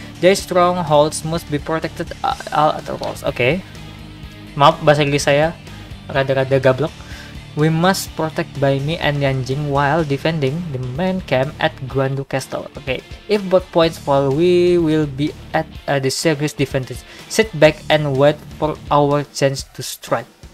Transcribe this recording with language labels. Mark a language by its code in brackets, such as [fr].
[en] Their strongholds must be protected at all costs. Oke. Okay. [id] Maaf bahasa Inggris saya rada-rada gablok. [en] We must protect Bai Mi and Yan Jin while defending the main camp at Guandu Castle. Oke. Okay. If both points fall, we will be at the service defenses. Sit back and wait for our chance to strike.